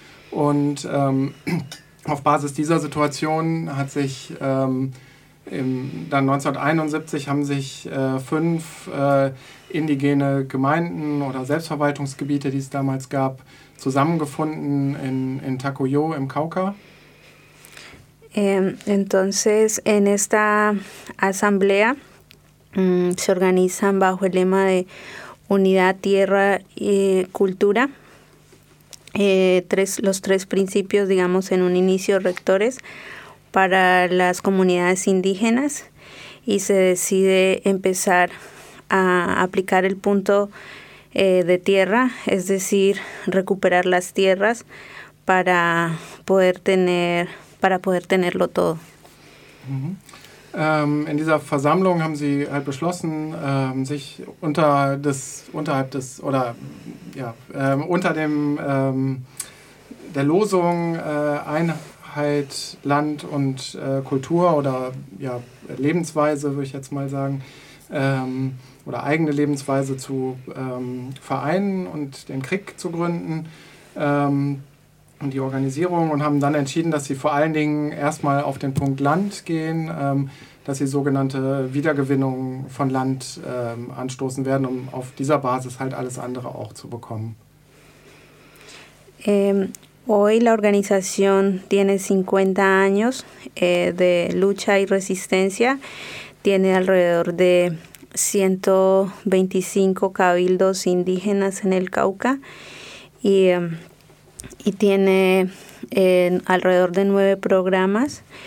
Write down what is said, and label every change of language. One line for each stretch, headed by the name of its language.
German: Und auf Basis dieser Situation hat sich dann 1971 haben sich 5 indigene Gemeinden oder Selbstverwaltungsgebiete, die es damals gab, zusammengefunden in Tacuyo im Cauca.
Spanish: Entonces, en esta asamblea se organizan bajo el lema de unidad, tierra y cultura. Los 3 principios, digamos, en un inicio rectores para las comunidades indígenas, y se decide empezar a aplicar el punto de tierra, es decir, recuperar las tierras para poder tenerlo todo.
German: In dieser Versammlung haben sie halt beschlossen, sich unter der Losung Einheit, Land und Kultur oder ja, Lebensweise, würde ich jetzt mal sagen, oder eigene Lebensweise zu vereinen und den Krieg zu gründen und die Organisierung, und haben dann entschieden, dass sie vor allen Dingen erstmal auf den Punkt Land gehen, dass sie sogenannte Wiedergewinnung von Land anstoßen werden, um auf dieser Basis halt alles andere auch zu bekommen.
Spanish: Hoy la organización tiene 50 años de lucha y resistencia. Tiene alrededor de 125 cabildos indígenas en el Cauca y tiene alrededor de 9 programas.